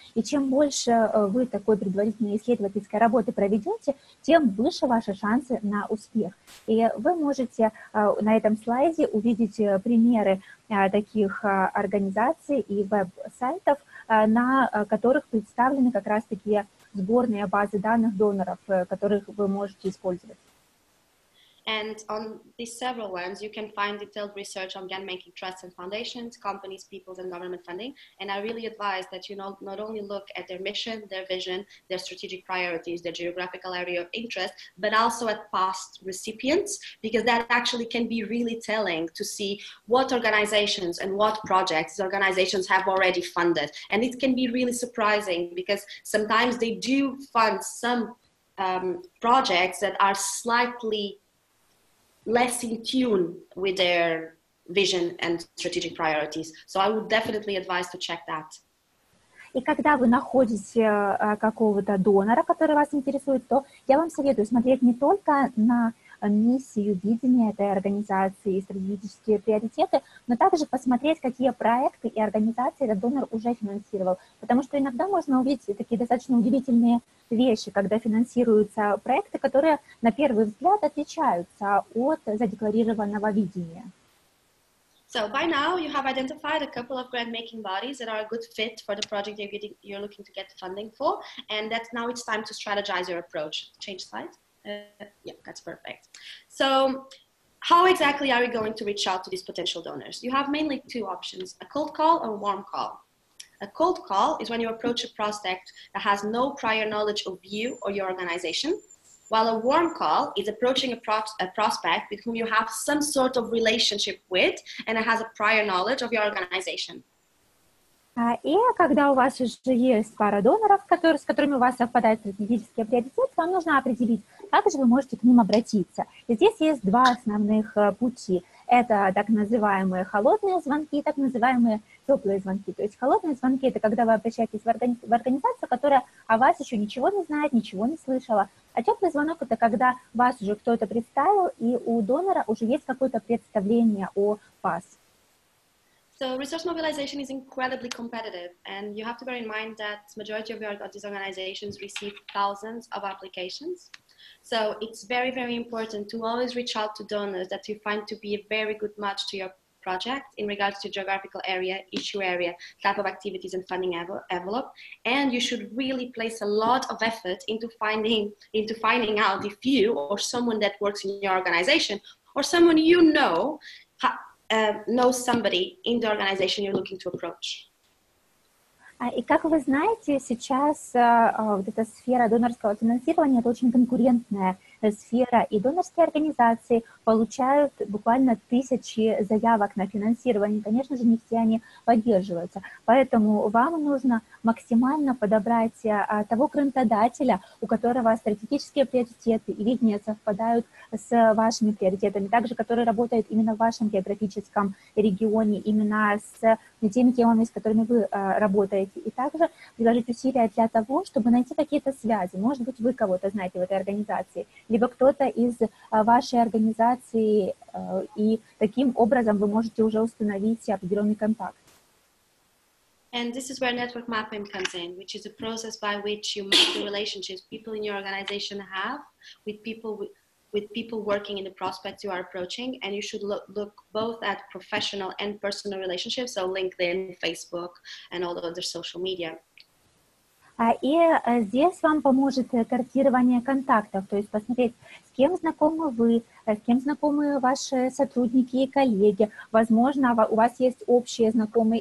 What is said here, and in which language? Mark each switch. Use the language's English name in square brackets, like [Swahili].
[Russian] И чем больше вы такой предварительной исследовательской работы проведете, тем выше ваши шансы на успех. И вы можете на этом слайде увидеть примеры таких организаций и веб-сайтов, на которых представлены как раз такие сборные базы данных доноров, которых вы можете использовать. [English] And on these several ones, you can find detailed research on grant-making trusts and foundations, companies, peoples, and government funding. And I really advise that you not only look at their mission, their vision, their strategic priorities, their geographical area of interest, but also at past recipients, because that actually can be really telling to see what organizations and what projects organizations have already funded. And it can be really surprising, because sometimes they do fund some projects that are slightly less in tune with their vision and strategic priorities. So I would definitely advise to check that. [Russian] И когда вы находите какого-то донора, который вас интересует, то я вам советую смотреть не только на миссию, видение этой организации и стратегические приоритеты, но также посмотреть, какие проекты и организации этот донор уже финансировал. Потому что иногда можно увидеть такие достаточно удивительные вещи, когда финансируются проекты, которые на первый взгляд отличаются от задекларированного видения. [English] So by now you have identified a couple of grant-making bodies that are a good fit for the project you're looking to get funding for, and that now it's time to strategize your approach. Change slide. That's perfect. So how exactly are we going to reach out to these potential donors? You have mainly two options, a cold call or a warm call. A cold call is when you approach a prospect that has no prior knowledge of you or your organization, while a warm call is approaching a prospect with whom you have some sort of relationship with and it has a prior knowledge of your organization. [Russian] И когда у вас уже есть пара доноров, с которыми у вас совпадает стратегический приоритет, вам нужно определить, как же вы можете к ним обратиться. И здесь есть два основных пути. Это так называемые холодные звонки и так называемые теплые звонки. То есть холодные звонки – это когда вы обращаетесь в организацию, которая о вас еще ничего не знает, ничего не слышала. А теплый звонок – это когда вас уже кто-то представил, и у донора уже есть какое-то представление о вас. [English] So resource mobilization is incredibly competitive, and you have to bear in mind that majority of these organizations receive thousands of applications. So it's very, very important to always reach out to donors that you find to be a very good match to your project in regards to geographical area, issue area, type of activities and funding envelope. And you should really place a lot of effort into finding out if you or someone that works in your organization or someone you know know somebody in the organization you're looking to approach. [Russian] И как вы знаете, сейчас вот эта сфера донорского финансирования – это очень конкурентная сфера, и донорские организации получают буквально тысячи заявок на финансирование. Конечно же, не все они поддерживаются. Поэтому вам нужно максимально подобрать того грантодателя, у которого стратегические приоритеты и видения совпадают с вашими приоритетами, также который работает именно в вашем географическом регионе, именно с теми темами, с которыми вы работаете. И также приложить усилия для того, чтобы найти какие-то связи. Может быть, вы кого-то знаете в этой организации, либо кто-то из вашей организации, и таким образом вы можете уже установить определенный контакт. [English] And this is where network mapping comes in, which is a process by which you map the relationships people in your organization have with people working in the prospects you are approaching, and you should look both at professional and personal relationships, so LinkedIn, Facebook, and all the other social media. [Russian] И здесь вам поможет картирование контактов, то есть посмотреть, с кем знакомы вы, с кем знакомы ваши сотрудники и коллеги. Возможно, у вас есть общие знакомые.